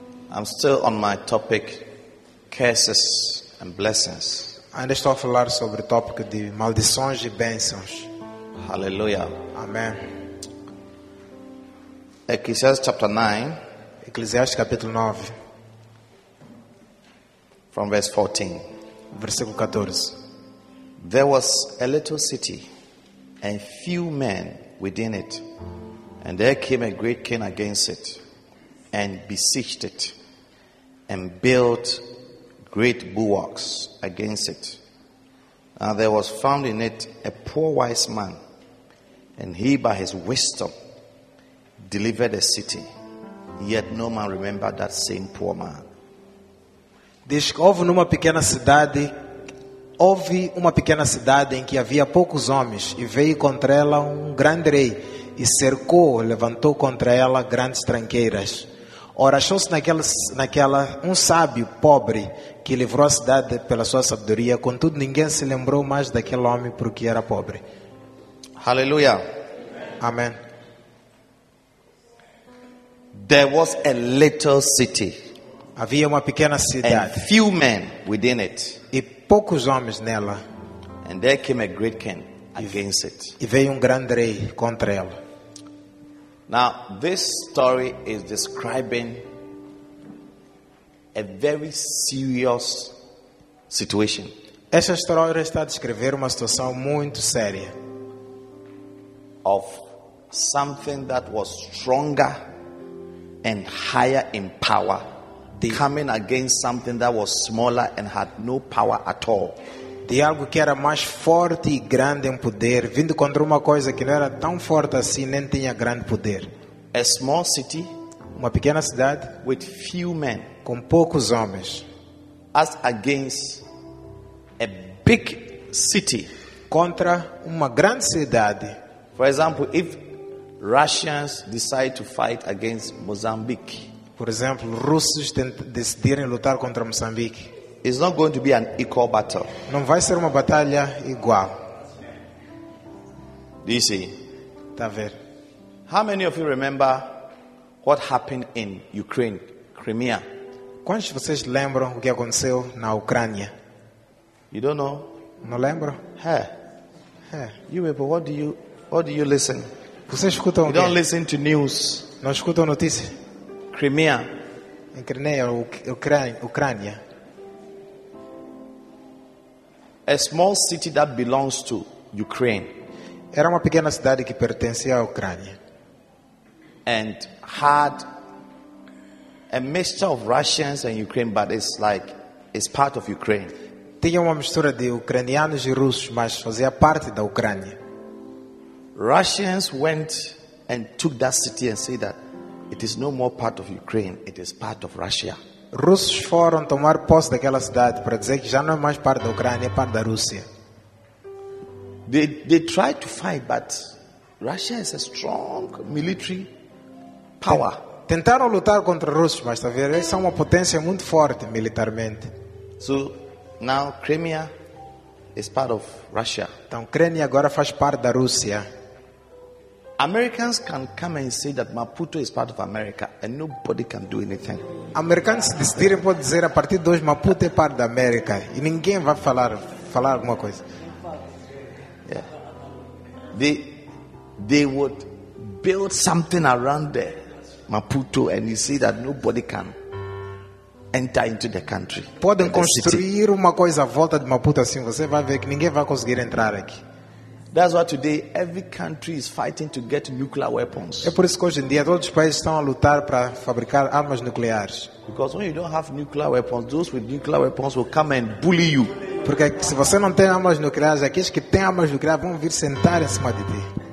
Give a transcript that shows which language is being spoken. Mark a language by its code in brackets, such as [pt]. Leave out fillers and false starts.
[en] I'm still on my topic, curses and blessings. [pt] Ainda estou a falar sobre o tópico de maldições e bênçãos. [en] Hallelujah. [pt] Amém. [en] Ecclesiastes chapter 9. [pt] Ecclesiastes capítulo 9. [en] From verse 14. [pt] Versículo 14. [en] There was a little city and few men within it, and there came a great king against it and besieged it, and built great bulwarks against it. Now there was found in it a poor wise man, and he by his wisdom delivered the city. Yet no man remembered that same poor man. [pt] Diz que houve uma pequena cidade em que havia poucos homens, e veio contra ela um grande rei, e cercou, levantou contra ela grandes tranqueiras. Ora, achou-se naquela um sábio pobre que livrou a cidade pela sua sabedoria, contudo ninguém se lembrou mais daquele homem porque era pobre. Aleluia. Amém. [en] There was a little city. [pt] Havia uma pequena cidade. [en] And few men within it. [pt] E poucos homens nela. [en] And there came a great king against it. [pt] E veio um grande rei contra ela. [en] Now, this story is describing a very serious situation. [pt] Essa história está a descrever uma situação muito séria. [en] Of something that was stronger and higher in power, coming against something that was smaller and had no power at all. [pt] De algo que era mais forte e grande em poder, vindo contra uma coisa que não era tão forte assim, nem tinha grande poder. [en] A small city, [pt] uma pequena cidade, [en] with few men, [pt] com poucos homens, [en] as against a big city, [pt] contra uma grande cidade. [en] For example, if Russians decide to fight against Mozambique, [pt] por exemplo, russos decidirem lutar contra Moçambique, [en] it's not going to be an equal battle. [pt] Não vai ser uma batalha igual. [en] Do you see? [pt] Tá ver. [en] How many of you remember what happened in Ukraine, Crimea? [pt] Quantos de vocês lembram o que aconteceu na Ucrânia? [en] You don't know? [pt] Não lembro. Hey. Hey. [en] You people, what do you listen? [pt] Vocês escutam o quê? [en] You don't listen to news. [pt] Não escutam notícias. [en] Crimea. [pt] Em Crimea, Ucrânia. [en] A small city that belongs to Ukraine. [pt] Era uma pequena cidade que pertencia à Ucrânia. [en] And had a mixture of Russians and Ukraine, but it's part of Ukraine. [pt] Tinha uma mistura de ucranianos e russos, mas fazia parte da Ucrânia. [en] Russians went and took that city and said that it is no more part of Ukraine, it is part of Russia. [pt] Russos foram tomar posse daquela cidade para dizer que já não é mais parte da Ucrânia, é parte da Rússia. [en] They tried to fight, but Russia is a strong military power. [pt] Tentaram lutar contra russos, mas eles são uma potência muito forte militarmente. [en] So now Crimea is part of Russia. [pt] Então Crimea agora faz parte da Rússia. [en] Americans can come and say that Maputo is part of America and nobody can do anything. [pt] Americans decidirem pode dizer a partir de hoje Maputo é parte da América e ninguém vai falar alguma coisa. [en] Yeah. They would build something around there, Maputo, and you see that nobody can enter into the country. [pt] Podem construir uma coisa à volta de Maputo assim, você vai ver que ninguém vai conseguir entrar aqui. [en] That's why today every country is fighting to get nuclear weapons. [pt] É por isso que hoje em dia todos os países estão a lutar para fabricar armas nucleares. [en] Because when you don't have nuclear weapons, those with nuclear weapons will come and bully you. [pt] Porque se você não tem armas nucleares, aqueles que têm armas nucleares vão vir sentar em cima de ti.